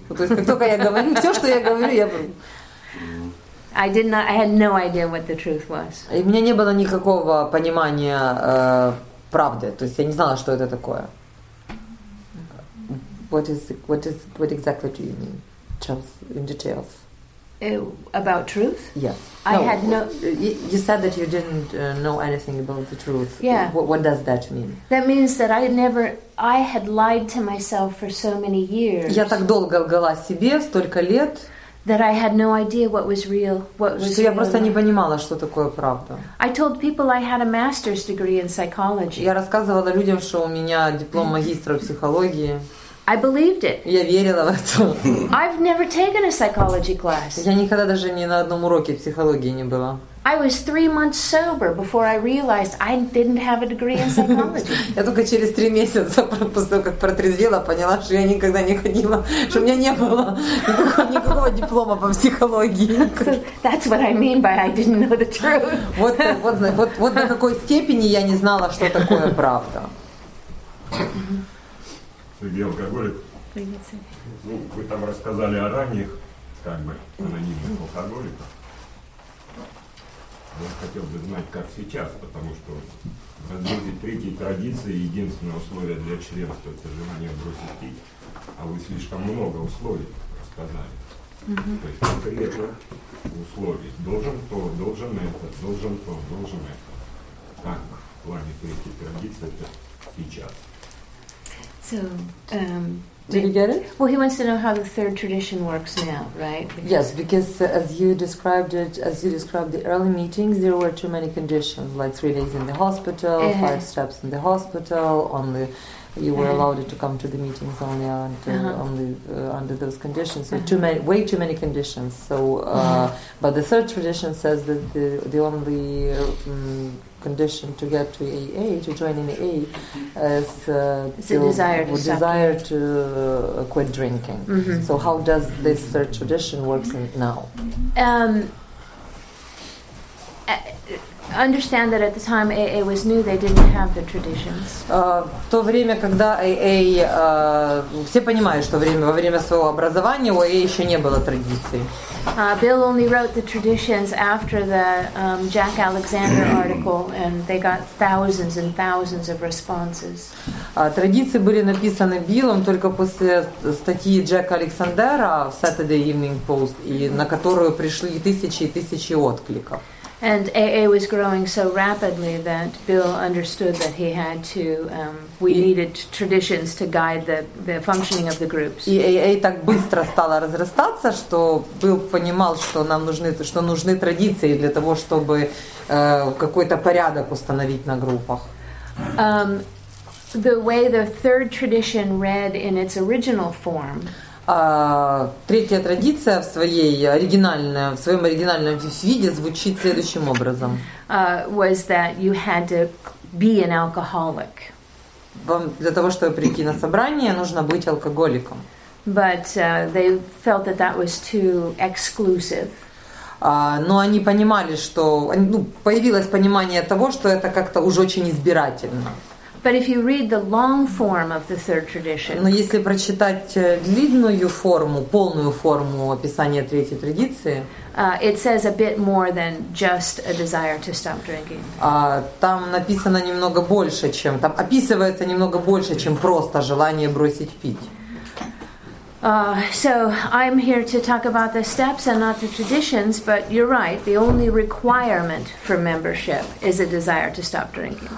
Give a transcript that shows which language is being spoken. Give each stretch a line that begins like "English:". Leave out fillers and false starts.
Russian: То есть как только я говорю, все, что я говорю, я вру.
English: I had no idea what the truth was.
Russian: И у меня не было никакого понимания правды. То есть я не знала, что это такое.
English: What exactly do you mean? In details. About truth? Yes. No, I had no. You said that you didn't know anything about the truth. Yeah. What does that mean? That means that I had lied to myself for so many years.
Russian: Я так долго лгала себе, столько лет.
English: That I had no idea what was real. What was.
Russian: Что я просто не понимала, что такое правда.
English: I told people I had a master's degree in psychology.
Russian: Я рассказывала людям, что у меня диплом магистра психологии.
English: I believed it.
Russian: Я верила в это.
English: I've never taken a psychology class.
Russian: Я никогда даже ни на одном уроке психологии не была.
English: I was 3 months sober before I realized I didn't have a degree in psychology.
Russian: Я только через 3 месяца после того, как протрезвела, поняла, что я никогда не ходила, что у меня не было никакого диплома по психологии.
English: That's what I mean by I didn't know the truth.
Russian: Вот до какой степени я не знала, что такое правда. Сергей алкоголик. Ну, вы там рассказали о ранних, как бы, анонимных алкоголиках. Я хотел бы знать, как сейчас, потому что в разделе третьей традиции единственное условие для членства – это желание бросить пить, а вы слишком много условий рассказали. Угу. То есть конкретно условий. Должен то, должен это, должен то, должен это. Как в плане третьей традиции – это сейчас.
English: So, did you get it? Well, he wants to know how the third tradition works now, right? Because yes, because as you described the early meetings, there were too many conditions, like 3 days in the hospital, uh-huh. 5 steps in the hospital, only you were allowed to come to the meetings only under, uh-huh. only, under those conditions. So uh-huh. way too many conditions. So, uh-huh. But the third tradition says that the only condition to get to AA, to join in AA, is a desire to quit drinking. Mm-hmm. So how does this third tradition work now? Understand that at the time AA was new, they didn't have the traditions.
Russian: В то время, когда AA, все понимают, что во время своего образования у AA еще не было традиций.
English: Bill only wrote the traditions after the Jack Alexander article, and they got thousands and thousands of responses.
Russian: Традиции были написаны Биллом только после статьи Джека Александера в Saturday Evening Post, и на которую пришли тысячи и тысячи откликов.
English: And AA was growing so rapidly that Bill understood that he had to. We needed traditions to guide the functioning of the groups.
Russian: И AA так быстро стала разрастаться, что Билл понимал, что нам нужны, что нужны традиции для того, чтобы какой-то порядок установить на группах.
English: The way the third tradition read in its original form.
Russian: Третья традиция в своей оригинальной, в своем оригинальном виде звучит следующим образом.
English: Was that you had to be an alcoholic.
Russian: Вам для того, чтобы прийти на собрание, нужно быть алкоголиком.
English: But they felt that that was too exclusive.
Russian: Но они понимали, что, ну, появилось понимание того, что это как-то уже очень избирательно.
English: But if you read the long form of the third tradition.
Russian: Но если прочитать длинную форму, полную форму описания третьей традиции,
English: it says a bit more than just a desire to stop drinking.
Russian: Там написано немного больше, чем там описывается немного больше, чем просто желание бросить пить.
English: So I'm here to talk about the steps and not the traditions, but you're right, the only requirement for membership is a desire to stop drinking.